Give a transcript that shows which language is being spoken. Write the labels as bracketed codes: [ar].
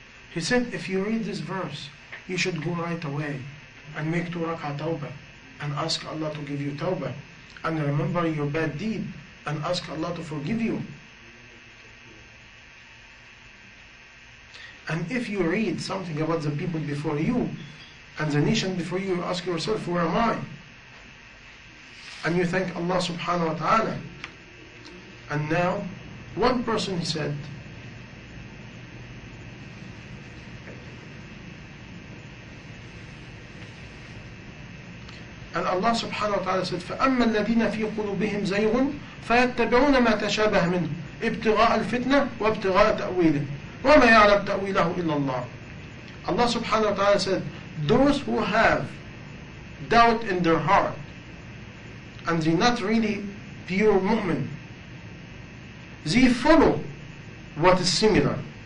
[en] He said, if you read this verse, you should go right away and make 2 rak'ah tawbah and ask Allah to give you tawbah and remember your bad deed and ask Allah to forgive you. And if you read something about the people before you and the nation before you, ask yourself, where am I? And you thank Allah subhanahu wa ta'ala. And now, one person said, and Allah subhanahu wa ta'ala said, [ar] فَأَمَّا الَّذِينَ فِي قُلُوبِهِمْ زَيْغٌ فَيَتَّبِعُونَ مَا تَشَابَهَ مِنْهُ ابْتِغَاءَ الْفِتْنَةِ وَابْتِغَاءَ تَأْوِيلِهِ وَمَا يَعْلَمْ تَأْوِيلَهُ إِلَّا اللَّهُ. [en] Allah subhanahu wa ta'ala said, those who have doubt in their heart, and they're not really pure mu'min, they follow what is similar.